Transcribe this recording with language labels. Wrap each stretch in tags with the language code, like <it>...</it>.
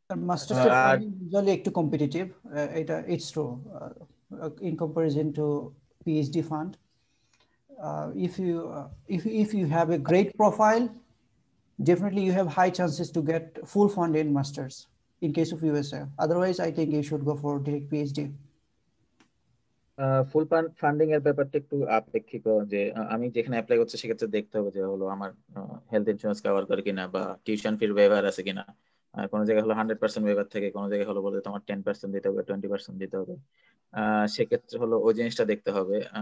<bn>Masters এর usually একটু competitive, এটা</bn> <en>It's true in comparison to PhD fund. If you have a great profile, definitely you have high chances to get full fund in masters in case of USA. Otherwise, I think you should go for direct PhD.</en> <bn>Full funding এর ব্যাপারটা একটু আপেক্ষিক, যে আমি যেখানে apply করতে সেক্ষেত্রে দেখতে হবে যে হলো আমার health insurance cover করে কিনা বা tuition fee waiver আছে কিনা, কোন জায়গা হলো 100% waiver থাকে, কোন জায়গা হলো বলতে তোমার 10% দিতে হবে, 20% দিতে হবে, সেক্ষেত্রে হলো ওই জিনিসটা দেখতে হবে।</bn>